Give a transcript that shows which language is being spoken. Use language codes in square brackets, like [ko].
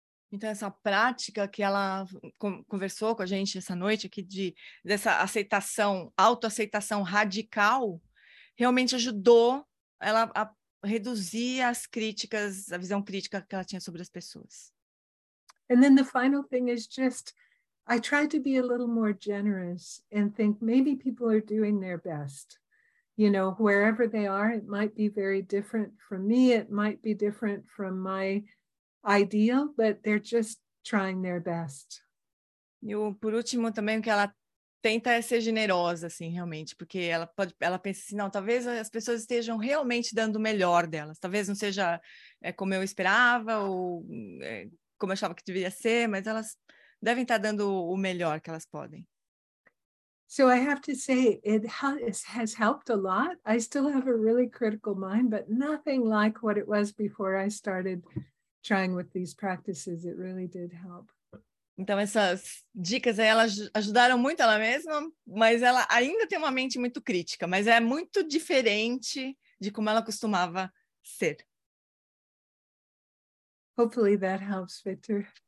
[pt] Então, essa prática que ela conversou com a gente essa noite aqui dessa aceitação, autoaceitação radical, realmente ajudou ela a reduzir as críticas, a visão crítica que ela tinha sobre as pessoas. [en] And then the final thing is just, I try to be a little more generous and think maybe people are doing their best. You know, wherever they are, it might be very different from me, it might be different from my ideal, but they're just trying their best. [pt] E por último também o que ela tenta é ser generosa, assim, realmente, porque ela pensa assim, não, talvez as pessoas estejam realmente dando o melhor delas, talvez não seja como eu esperava ou como eu achava que deveria ser, mas elas devem estar dando o melhor que elas podem. [en] So I have to say, it has helped a lot. I still have a really critical mind, but nothing like what it was before I started trying with these practices. It really did help. [pt] Então, essas dicas aí, elas ajudaram muito ela mesma, mas ela ainda tem uma mente muito crítica, mas é muito diferente de como ela costumava ser. [en] Hopefully that helps, Victor.